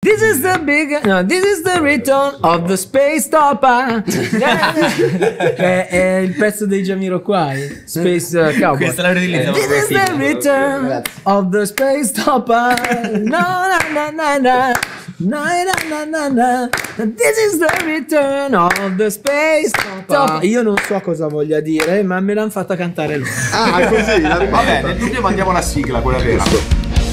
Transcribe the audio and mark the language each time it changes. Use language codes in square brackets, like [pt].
[en] This is the big, no, this is the return of the space topper. [it] è il pezzo dei Jamiroquai, Space Cowboy. Questa la utilizziamo. [en] This is the return of the space topper. No, no, no, no, no. Na na na na na. This is the return of the space topper. [it] Io non so cosa voglia dire, ma me l'hanno fatta cantare lui. Ah, così, la ripeto. Va bene, dubbio, mandiamo la sigla, quella vera. Questo.